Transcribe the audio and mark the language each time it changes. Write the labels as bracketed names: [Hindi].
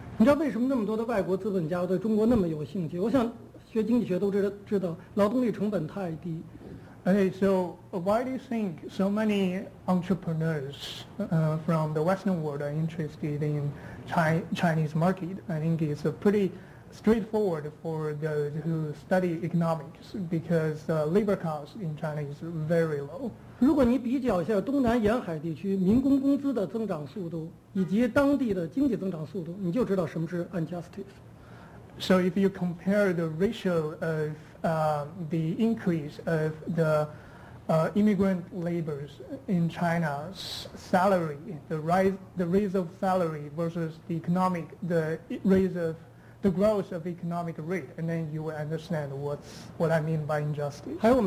[Chinese] 你知道为什么那么多的外国资本家对中国那么有兴趣？我想学经济学都知道，劳动力成本太低。 [English] Okay, so why do you think so many entrepreneurs from the Western world are interested in Chinese market? I think it's a pretty straightforward for those who study economics because labor costs in China is very low. [Chinese] 如果你比较一下东南沿海地区民工工资的增长速度以及当地的经济增长速度，你就知道什么是 [English] injustice. So if you compare the ratio of the increase of the immigrant laborers in China's salary, the raise of salary versus the growth of economic rate, and then you will understand what I mean by injustice.